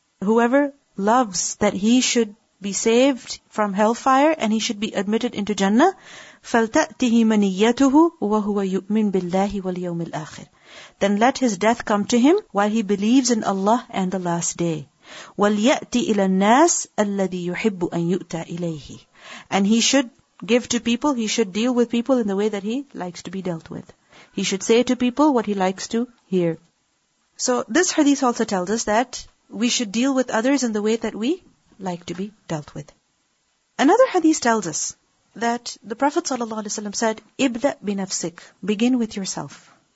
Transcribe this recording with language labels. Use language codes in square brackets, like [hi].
[en] Whoever loves that he should be saved from hellfire and he should be admitted into Jannah, [ar] فلتأتيه منيته وهو يؤمن بالله واليوم الآخر. [en] Then let his death come to him while he believes in Allah and the last day. [ar] وليأتي إلى الناس الذي يحب أن يؤتى إليه. [en] And he should give to people, he should deal with people in the way that he likes to be dealt with. He should say to people what he likes to hear. So this hadith also tells us that we should deal with others in the way that we like to be dealt with. Another hadith tells us that the Prophet ﷺ said, [ar] ابدأ بنفسك, [en] begin with yourself.